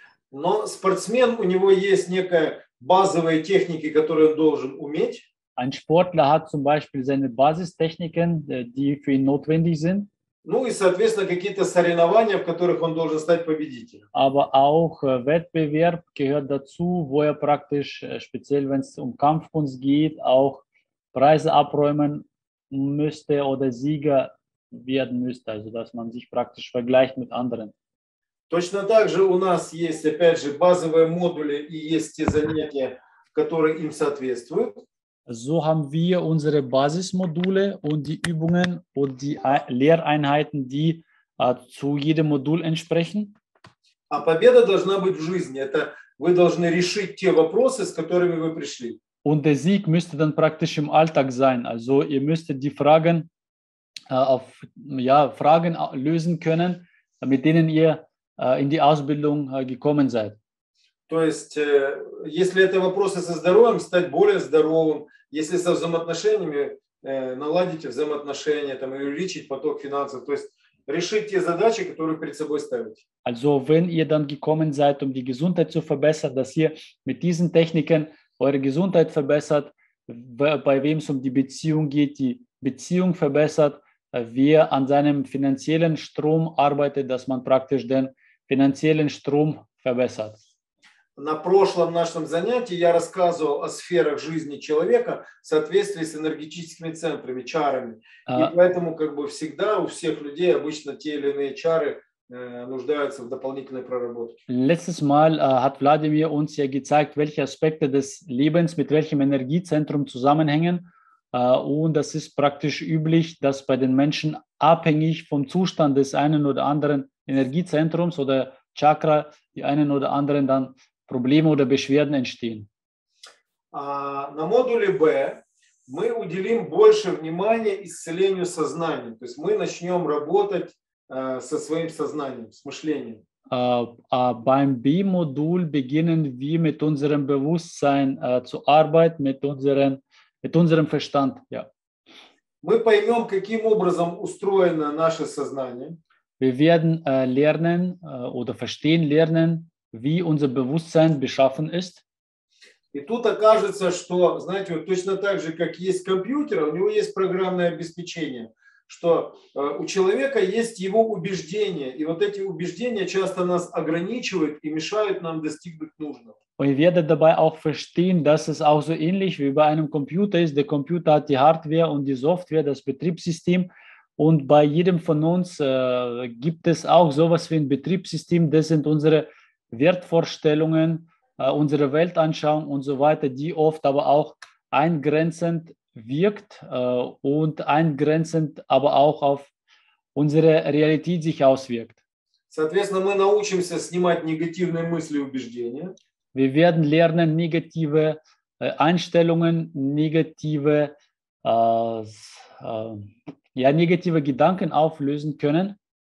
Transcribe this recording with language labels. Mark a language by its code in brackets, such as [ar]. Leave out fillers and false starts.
[ru] Но спортсмен, у него есть некая базовая техника, которую он должен уметь. [de] Ein Sportler hat zum Beispiel seine Basistechniken, die für ihn notwendig sind. [ru] Ну и, соответственно, какие-то соревнования, в которых он должен стать победителем. [de] Aber auch Wettbewerb gehört dazu, wo er praktisch, speziell wenn es um Kampfkunst geht, auch Preise abräumen müsste oder Sieger werden müsste, also dass man sich praktisch vergleicht mit anderen. [ru] Точно так же у нас есть, опять же, базовые модули и есть те занятия, которые им соответствуют. [de] So haben wir unsere Basismodule und die Übungen und die Lehreinheiten, die zu jedem Modul entsprechen. [ru] А победа должна быть в жизни. Это вы должны решить те вопросы, с которыми вы пришли. [de] Und der Sieg müsste dann praktisch im Alltag sein. Also ihr müsstet die Fragen, Fragen lösen können, mit denen ihr in die Ausbildung gekommen seid. [ru] То есть, если это вопросы со здоровьем, стать более здоровым. Если со взаимоотношениями, наладить взаимоотношения, там, и увеличить поток финансов. То есть, решить те задачи, которые перед собой ставите. [de] Also, wenn ihr dann gekommen seid, um die Gesundheit zu verbessern, dass ihr mit diesen Techniken eure Gesundheit verbessert, bei wem es um die Beziehung geht, die Beziehung verbessert, wer an seinem finanziellen Strom arbeitet, dass man praktisch den finanziellen Strom verbessert. [ru] На прошлом нашем занятии я рассказывал о сферах жизни человека в соответствии с энергетическими центрами, чарами. И поэтому как бы всегда у всех людей обычно те или иные чары нуждаются в дополнительной проработке. [de] Letztes Mal hat Vladimir uns ja gezeigt, welche Aspekte des Lebens mit welchem Energiezentrum zusammenhängen. Und das ist praktisch üblich, dass bei den Menschen abhängig vom Zustand des einen oder anderen Energiezentrums oder Chakra die einen oder anderen dann Probleme oder Beschwerden entstehen. [ru] На модуле B мы уделим больше внимания исцелению сознания. То есть мы начнем работать со своим сознанием, с мышлением. [de] Beim B-Modul beginnen wir mit unserem Bewusstsein zu arbeiten, mit unserem Verstand. Ja. [ru] Мы поймем, каким образом устроено наше сознание. [de] Wir werden lernen oder verstehen lernen, wie unser Bewusstsein beschaffen ist. [ru] И тут окажется, что, знаете, вот точно так же, как есть компьютер, у него есть программное обеспечение, что у человека есть его убеждения, и вот эти убеждения часто нас ограничивают и мешают нам достигнуть нужного. [de] Und werde dabei auch verstehen, dass es auch so ähnlich wie bei einem Computer ist. Der Computer hat die Hardware und die Software, das Betriebssystem. Und bei jedem von uns gibt es auch sowas wie ein Betriebssystem. Das sind unsere Wertvorstellungen, unsere Weltanschauung und so weiter, die oft aber auch eingrenzend wirkt und eingrenzend aber auch auf unsere Realität sich auswirkt. [ru] Соответственно, мы научимся снимать негативные мысли и убеждения. [de] Wir werden lernen, negative Einstellungen, negative negative Gedanken auflösen können.